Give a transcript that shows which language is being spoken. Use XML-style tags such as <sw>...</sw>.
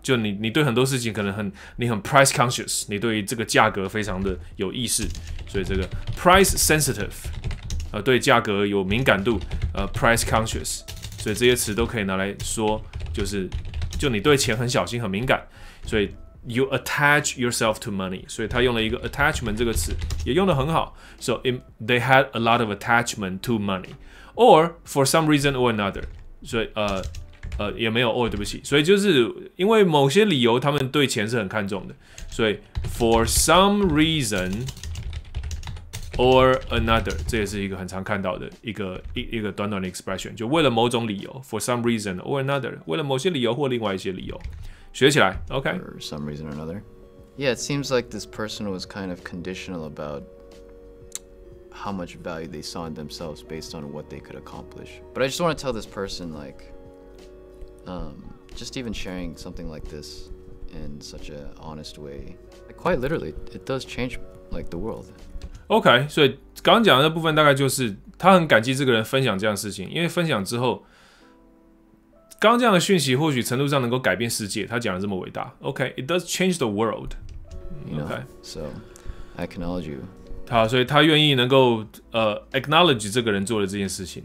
<zh>就你对很多事情可能你很 price conscious， 你对这个价格非常的有意识，所以这个 price sensitive， 对价格有敏感度，price conscious， 所以这些词都可以拿来说，就你对钱很小心很敏感，所以。</zh> <en>You attach yourself to money.</en> <zh>所以他用了一个 attachment 这个词，也用得很好。</zh> <en>So they had a lot of attachment to money. Or for some reason or another.</en> <zh>所以也没有 or 对不起。所以就是因为某些理由他们对钱是很看重的。所以</zh> <en>for some reason or another，</en> <zh>这也是一个很常看到的一个短短的 expression， 就为了某种理由 for some reason or another， 为了某些理由或另外一些理由。学起来 okay.</zh> <en>For some reason or another. Yeah, it seems like this person was kind of conditional about how much value they saw in themselves based on what they could accomplish. But I just want to tell this person, like, just even sharing something like this in such an honest way, like, quite literally, it does change, like, the world.</en> <zh>Okay, so 刚刚讲的那部分大概就是他很感激这个人分享这样的事情，因为分享之后刚刚这样的讯息，或许程度上能够改变世界。他讲的这么伟大 ，OK，</zh> <en>it does change the world。</en> <zh>OK，</zh> <en>so I acknowledge you。</en> <zh>好，所以他愿意能够acknowledge 这个人做的这件事情。</zh>